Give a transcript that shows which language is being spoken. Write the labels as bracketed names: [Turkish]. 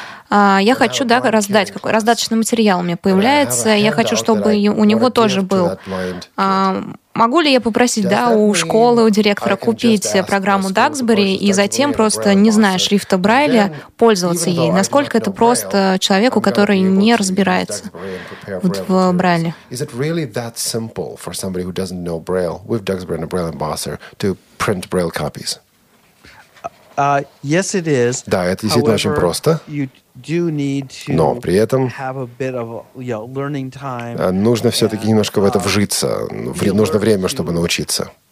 [Russian] Я хочу, да, раздать, какой раздаточный материал у меня появляется, я хочу, чтобы у него тоже был. Могу ли я попросить, да, у школы, у директора купить программу Даксбери и затем просто, не зная шрифта Брайля, пользоваться ей? Насколько это просто человеку, который не разбирается в Брайле? [English] Is it really that simple for somebody who doesn't know Braille with Daxbury and a Braille embosser to print Braille copies? Yes, it is. [Russian] Да, это действительно очень просто. Но при этом нужно все-таки немножко в это вжиться. Нужно время, чтобы научиться.